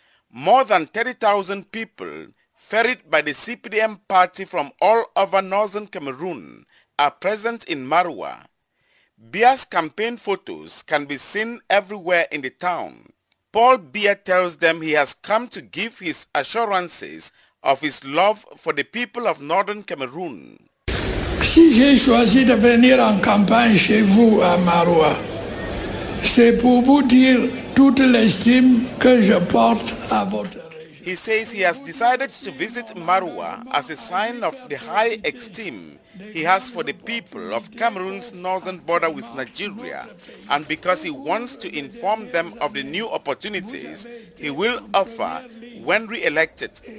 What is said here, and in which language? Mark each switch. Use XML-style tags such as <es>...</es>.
<en>More than 30,000 people, ferried by the CPDM party from all over northern Cameroon, are present in Maroua. Biya's campaign photos can be seen everywhere in the town. Paul Biya tells them he has come to give his assurances of his love for the people of northern Cameroon.</en> <fr>Si j'ai choisi de venir en campagne chez vous à Maroua, c'est pour vous dire toute l'estime que je porte à votre région.</fr> <en>He says he has decided to visit Maroua as a sign of the high esteem he has for the people of Cameroon's northern border with Nigeria and because he wants to inform them of the new opportunities he will offer when re-elected.</en>